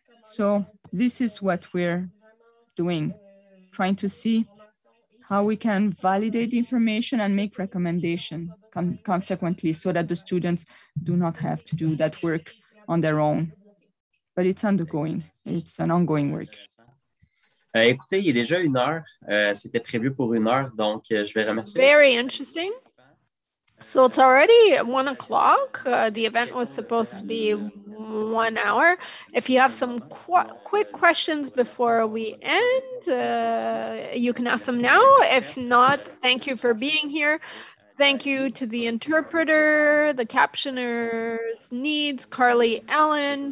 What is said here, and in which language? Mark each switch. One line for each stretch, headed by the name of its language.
English: So this is what we're doing, trying to see how we can validate the information and make recommendation consequently so that the students do not have to do that work on their own. But it's undergoing. It's an ongoing work.
French: Écoutez, il est déjà une heure. C'était prévu pour une heure, donc je vais remercier.
English: Very interesting. So it's already 1 o'clock. The event was supposed to be 1 hour. If you have some quick questions before we end, you can ask them now. If not, thank you for being here. Thank you to the interpreter, the captioners, NEADS, Carly, Ellen.